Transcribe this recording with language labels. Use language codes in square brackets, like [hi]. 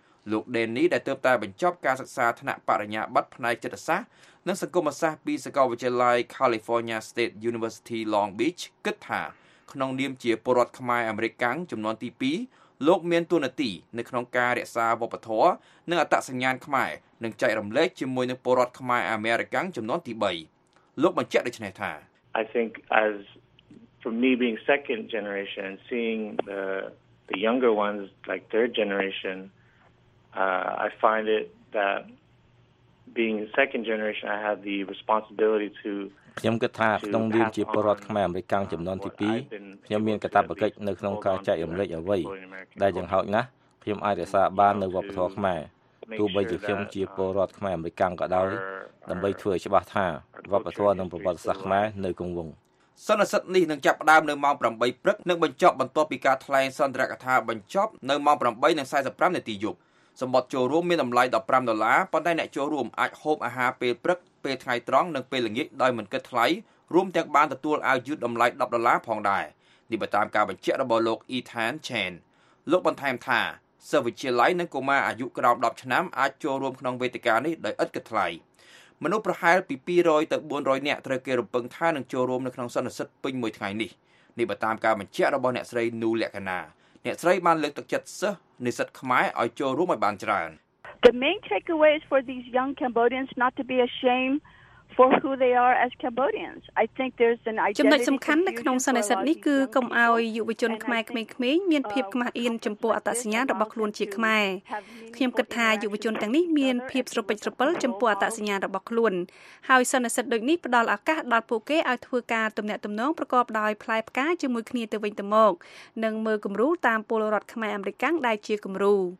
[km] លោកដេននីដែលទើបតែបញ្ចប់ការសិក្សាថ្នាក់បរិញ្ញាបត្រផ្នែកចិត្តសាស្ត្រនិងសង្គមសាស្ត្រពីសាកលវិទ្យាល័យ California State University Long Beach គិតថាក្នុងនាមជាពលរដ្ឋខ្មែរអមេរិកកាំងចំនួនទី2លោកមានទូនាទីនៅក្នុងការរក្សាវប្បធម៌និងអត្តសញ្ញាណខ្មែរនិងចែករំលែកជាមួយនឹងពលរដ្ឋខ្មែរអាមេរិកកាំងចំនួនទី3លោកបញ្ជាក់ដូចនេះថា [en] I think as from me being second generation seeing the younger ones like third generation I find it that being second generation I have the responsibility to [km] ខ្ញុំគិតថាក្នុងនាមជាពលរដ្ឋខ្មែរអមេរិកកាំងចំនួនទី2ខ្ញុំមានកាតព្វកិច្ចនៅក្នុងការចែករំលែកអ្វីដែលយ៉ាងហោចណាស់ខ្ញុំអាចរក្សាបាននៅវប្បធម៌ខ្មែរទោះបីជាខ្ញុំជាពលរដ្ឋខ្មែរអមេរិកកាំងក៏ដោយដើម្បីធ្វើឲ្យច្បាស់ថាវប្បធម៌និងប្រវត្តិសាស្ត្រខ្មែរនៅគង់វង្ស សន្និសីទនេះនឹងចាប់ផ្ដើមនៅម៉ោង8ព្រឹកនិងបញ្ចប់បន្ទាប់ពីការថ្លែងសន្ទរកថាបញ្ចប់នៅម៉ោង 8:45 នាទីយប់សម្បត្តិចូលរួមមានតម្លៃ $15 ដុល្លារប៉ុន្តែអ្នកចូលរួមអាចហូបអាហារពេលព្រឹកពេលថ្ងៃត្រង់និងពេលល្ងាចដោយមិនគិតថ្លៃរួមទាំងបានទទួលអាវយឺតតម្លៃ $10 ដុល្លារផងដែរនេះបើតាមការបញ្ជាក់របស់លោក Ethan Chen លោកបន្ថែមថាសិស្សវិទ្យាល័យនិងកុមារអាយុក្រោម10ឆ្នាំអាចចូលរួមក្នុងវេទិកានេះដោយឥតគិតថ្លៃ មនុស្សប្រហែលពី200ទៅ400នាក់ត្រូវគេរំពឹងថានឹងចូលរួមនៅក្នុងសន្និសីទពេញមួយថ្ងៃនេះនេះបើតាមការបញ្ជាក់របស់អ្នកស្រីនូលក្ខណាអ្នកស្រីបានលើកទឹកចិត្តសិស្សនិស្សិតខ្មែរឲ្យចូលរួមឲ្យបានច្រើន [en] The main takeaway is for these young Cambodians not to be ashamed for who they are as Cambodians. I think there's an identity [km] ចំណុចសំខាន់នៅក្នុងសន្និសីទនេះគឺកុំឲ្យយុវជនខ្មែរក្មេងៗមានភាពខ្មាស់អៀនចំពោះអត្តសញ្ញាណរបស់ខ្លួនជាខ្មែរខ្ញុំគិតថាយុវជនទាំងនេះមានភាពស្រពិចស្រពិលចំពោះអត្តសញ្ញាណរបស់ខ្លួនហើយសន្និសីទដូចនេះផ្ដល់ឱកាសដល់ពួកគេឲ្យធ្វើការទំនាក់ទំនងប្រកបដោយផ្លែផ្កាជាមួយគ្នាទៅវិញទៅមកនិងមើលគំរូតាមពលរដ្ឋខ្មែរអមេរិកកាំងដែលជាគំរូ